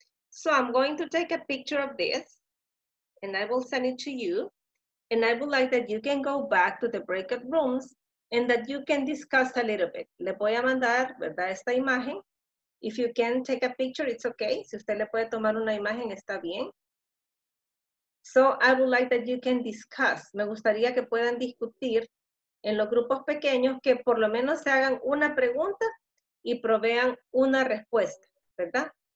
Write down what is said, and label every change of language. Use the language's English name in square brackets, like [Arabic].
[English] So, I'm going to take a picture of this. And I will send it to you. And I would like that you can go back to the breakout rooms. And that you can discuss a little bit. [Spanish] Le voy a mandar, ¿verdad? Esta imagen. [English] If you can take a picture, it's okay. [Spanish] Si usted le puede tomar una imagen, está bien. [English] So, I would like that you can discuss. [Spanish] Me gustaría que puedan discutir en los grupos pequeños, que por lo menos se hagan una pregunta y provean una respuesta, ¿verdad?